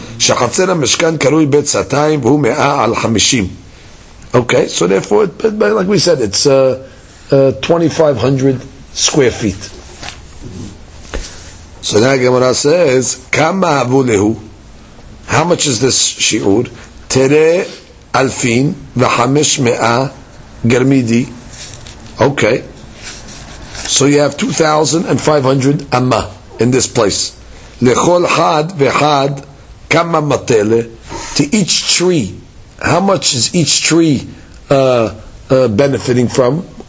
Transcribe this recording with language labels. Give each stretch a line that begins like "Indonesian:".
Hebrew: שחצר המשכן קרוי בית סתיים והוא מאה על חמישים.
English: Okay, so therefore, like we said, it's 2,500 square feet. So now Gemara says,
Aramaic: כמה אבו להו?
English: How much is this שיעור?
Aramaic: תראה אלפין וחמש מאה גרמידי.
English: Okay, so you have 2,500 אמה in this place.
Aramaic: לכל חד וחד כמה מטלה,
English: to each tree, how much is each tree benefiting from?